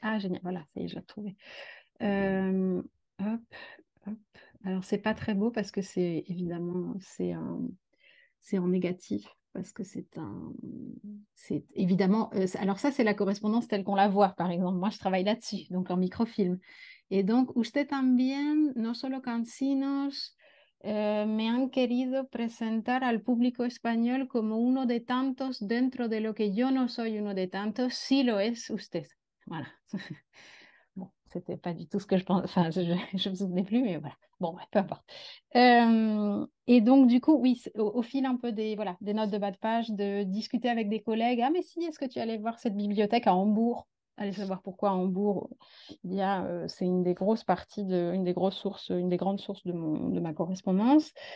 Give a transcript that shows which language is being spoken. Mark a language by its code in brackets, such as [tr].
[fr] Ah, génial, voilà, ça y est, je l'ai trouvée. Hop, hop. Alors, c'est pas très beau parce que c'est évidemment, c'est en négatif. Parce que c'est évidemment. Alors ça, c'est la correspondance telle qu'on la voit. Par exemple, moi, je travaille là-dessus, donc en microfilm. Et donc, [es] usted también, no solo cansinos, me han querido presentar al público español como uno de tantos dentro de lo que yo no soy uno de tantos, si lo es usted. [fr] Voilà. Bon, c'était pas du tout ce que je pensais. Enfin, je me souvenais plus, mais voilà. Bon, ouais, peu importe. Et donc, du coup, oui, au fil un peu des notes de bas de page, de discuter avec des collègues. Ah, mais si, est-ce que tu allais voir cette bibliothèque à Hambourg? Allez savoir pourquoi à Hambourg, c'est une des grosses parties, une des grosses sources, une des grandes sources de ma correspondance.